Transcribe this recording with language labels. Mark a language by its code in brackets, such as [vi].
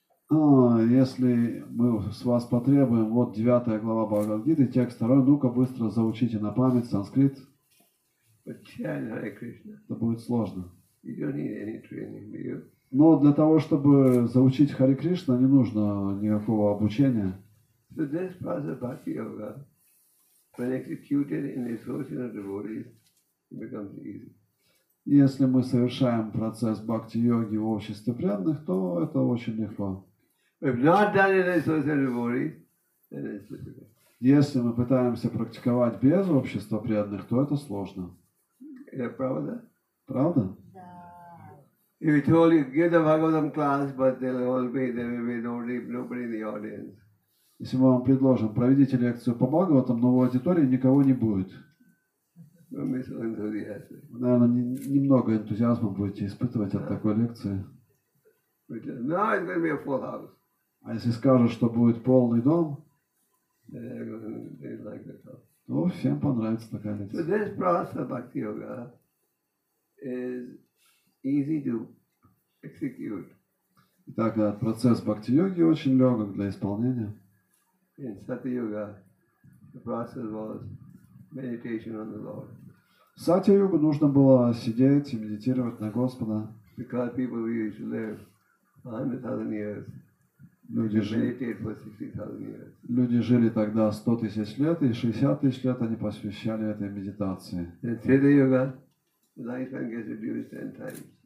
[ru] Если мы с вас потребуем, вот 9 глава Бхагавад-гиты, текст 2, ну-ка быстро заучите на память санскрит. Это будет сложно. Но для того, чтобы заучить Хари Кришна, не нужно никакого обучения. [en] So this process of bhakti yoga, when executed in the association of devotees, it becomes easy. [ru] Если мы совершаем процесс бхакти йоги в обществе преданных, то это очень легко. [en] If not done in the association of devotees, then it's difficult. [ru] Если мы пытаемся практиковать без общества преданных, то это сложно. Это правда? Правда? Да. [en] You told you give the Bhagavatam class, but there will be nobody in the audience. [ru] Если мы вам предложим, проведите лекцию по Бхагаватам, но в аудитории никого не будет. Наверное, немного энтузиазма будете испытывать от такой лекции. А если скажут, что будет полный дом, то всем понравится такая лекция. Итак, процесс бхакти-йоги очень легок для исполнения. [en] In Satya-yuga, the process was meditation on the Lord. [ru] В Сатья-йогу нужно было сидеть и медитировать на Господа. [en] Because people used to live 100,000 years. [ru] Люди жили тогда 100 тысяч лет, и 60 тысяч лет они посвящали этой медитации. [en] In Treta-yuga, life gets reduced 10 times.